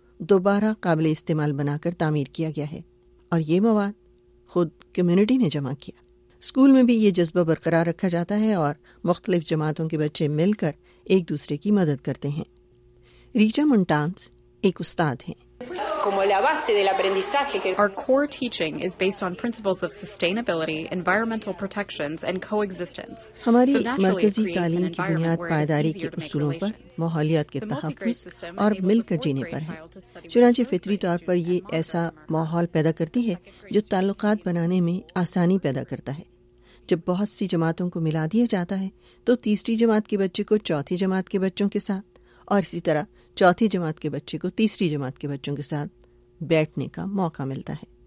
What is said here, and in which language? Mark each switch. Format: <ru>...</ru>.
<ur>دوبارہ قابل استعمال بنا کر تعمیر کیا گیا ہے، اور یہ مواد خود کمیونٹی نے جمع کیا۔ اسکول میں بھی یہ جذبہ برقرار رکھا جاتا ہے اور مختلف جماعتوں کے بچے مل کر ایک دوسرے کی مدد کرتے ہیں۔ ریچا مونٹانس ایک استاد ہیں۔</ur> <en>Our core teaching is based on principles of sustainability, environmental protections and coexistence.</en> <ur>ہماری مرکزی تعلیم کی بنیاد پائیداری کے اصولوں پر، ماحولیات کے تحفظ اور مل کر جینے پر ہے۔ چنانچہ فطری طور پر یہ ایسا ماحول پیدا کرتی ہے جو تعلقات بنانے میں آسانی پیدا کرتا ہے۔ جب بہت سی جماعتوں کو ملا دیا جاتا ہے تو تیسری جماعت کے بچے کو چوتھی جماعت کے بچوں کے ساتھ، اور اسی طرح چوتھی جماعت کے بچے کو تیسری جماعت کے بچوں کے ساتھ بیٹھنے کا موقع ملتا ہے۔</ur>